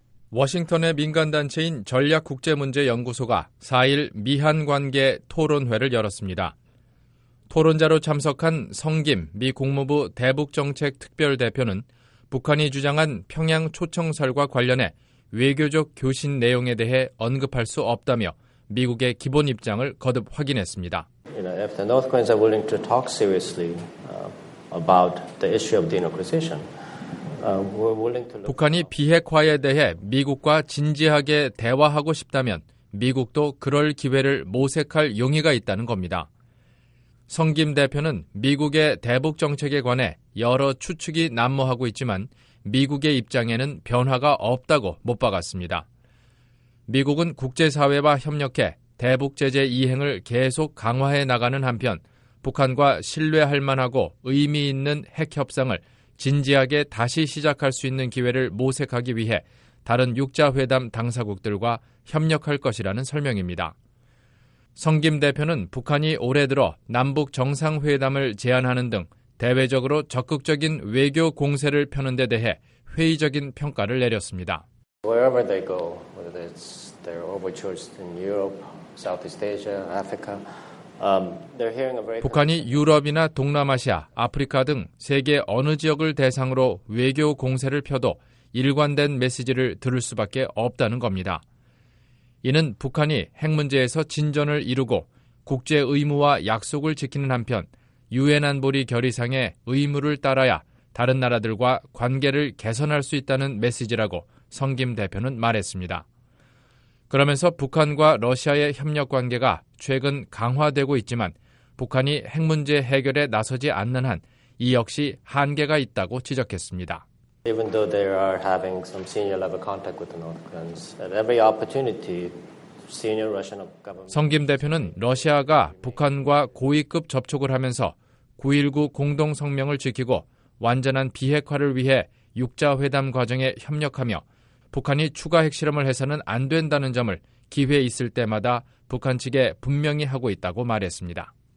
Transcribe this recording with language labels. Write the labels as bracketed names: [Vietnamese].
[Korean] 워싱턴의 민간단체인 전략국제문제연구소가 4일 미한관계 토론회를 열었습니다. 토론자로 참석한 성김 미 국무부 대북정책특별대표는 북한이 주장한 평양 초청설과 관련해 외교적 교신 내용에 대해 언급할 수 없다며 미국의 기본 입장을 거듭 확인했습니다. [English] You know, if the North Koreans are willing to talk seriously about the issue of denuclearization, we're willing to look. [Korean] 북한이 비핵화에 대해 미국과 진지하게 대화하고 싶다면 미국도 그럴 기회를 모색할 용의가 있다는 겁니다. 성김 대표는 미국의 대북 정책에 관해 여러 추측이 난무하고 있지만 미국의 입장에는 변화가 없다고 못 박았습니다. 미국은 국제사회와 협력해 대북제재 이행을 계속 강화해 나가는 한편 북한과 신뢰할 만하고 의미 있는 핵협상을 진지하게 다시 시작할 수 있는 기회를 모색하기 위해 다른 6자회담 당사국들과 협력할 것이라는 설명입니다. 성김 대표는 북한이 올해 들어 남북정상회담을 제안하는 등 대외적으로 적극적인 외교 공세를 펴는 데 대해 회의적인 평가를 내렸습니다. [English] Wherever they go, whether it's their overtures in Europe, Southeast Asia, Africa, they're hearing a very. [Korean] 북한이 유럽이나 동남아시아, 아프리카 등 세계 어느 지역을 대상으로 외교 공세를 펴도 일관된 메시지를 들을 수밖에 없다는 겁니다. 이는 북한이 핵 문제에서 진전을 이루고 국제 의무와 약속을 지키는 한편 유엔 안보리 결의상의 의무를 따라야 다른 나라들과 관계를 개선할 수 있다는 메시지라고 성김 대표는 말했습니다. 그러면서 북한과 러시아의 협력 관계가 최근 강화되고 있지만 북한이 핵 문제 해결에 나서지 않는 한 이 역시 한계가 있다고 지적했습니다. [English] Even though they are having some senior level contact with the North Koreans, at every opportunity, senior Russian government. [Korean] 성김 대표는 러시아가 북한과 고위급 접촉을 하면서 9.19 공동 성명을 지키고 완전한 비핵화를 위해 6자회담 과정에 협력하며 북한이 추가 핵실험을 해서는 안 된다는 점을 기회 있을 때마다 북한 측에 분명히 하고 있다고 말했습니다.